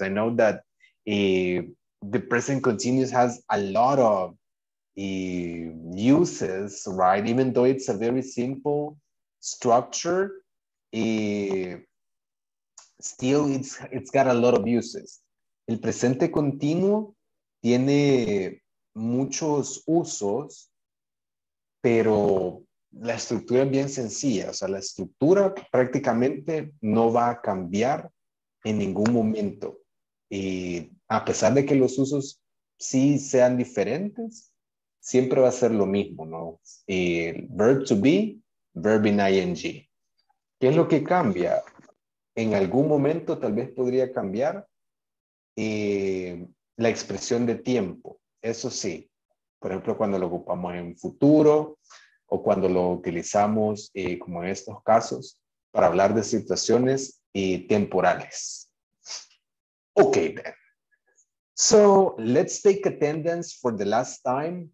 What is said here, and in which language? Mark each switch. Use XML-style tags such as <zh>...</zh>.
<en>I know that the present continuous has a lot of uses, right? Even though it's a very simple structure, still it's got a lot of uses.</en> <es>El presente continuo tiene muchos usos, pero la estructura es bien sencilla. O sea, la estructura prácticamente no va a cambiar en ningún momento. A pesar de que los usos sí sean diferentes, siempre va a ser lo mismo, ¿no?</es> <en>Verb to be, verb in ing.</en> <es>¿Qué es lo que cambia? En algún momento tal vez podría cambiar la expresión de tiempo. Eso sí, Por ejemplo, cuando lo ocupamos en futuro o cuando lo utilizamos como en estos casos para hablar de situaciones temporales.</es> <en>Okay, then. So, let's take attendance for the last time.</en>